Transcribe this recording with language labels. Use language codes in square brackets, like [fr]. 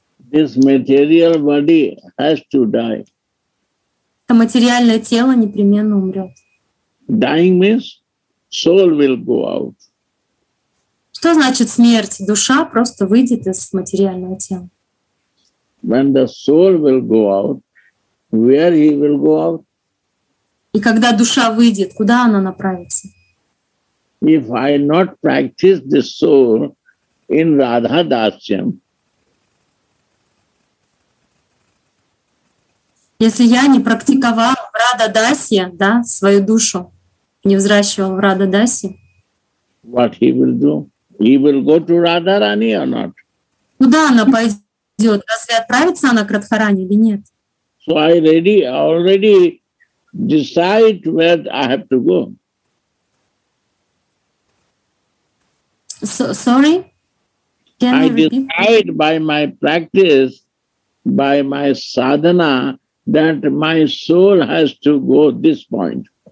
[en] This material body has to die. [ru] Это материальное тело непременно умрет. [en] Dying means soul will go out. [ru] Что значит смерть? Душа просто выйдет из материального тела. [en] When the soul will go out, where he will go out? [ru] И когда душа выйдет, куда она направится? [en] If I not practice the soul in Radha Dasyam. [ru] Если я не практиковал в Радха Дасье, да, свою душу, не взращивал в Радха Дасье. [en] What he will do? He will go to Radharani or not? [ru] Куда она пойдет? Разве отправится она к Радхарани или нет? [en] So I already decide where I have to go. sorry? Can I decide by my practice, by my sadhana, that my soul has to go this point.